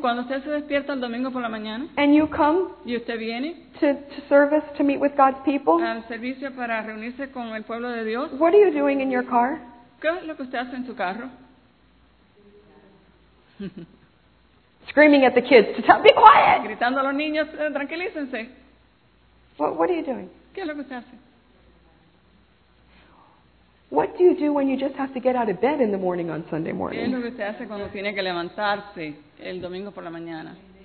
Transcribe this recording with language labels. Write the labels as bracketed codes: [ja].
[es] Cuando usted se despierta el domingo por la mañana. [en] And you come. [es] Y usted viene. [en] To service to meet with God's people. [es] Al servicio para reunirse con el pueblo de Dios. [en] What are you doing in your car? [es] ¿Qué es lo que usted hace en su carro? [en] Screaming at the kids to tell, be quiet. [es] Gritando a los niños, tranquilícense. [en] What are you doing? [es] ¿Qué es lo que usted hace? [en] What do you do when you just have to get out of bed in the morning on Sunday morning? [es] ¿Qué es lo que usted hace cuando tiene que levantarse el domingo por la mañana?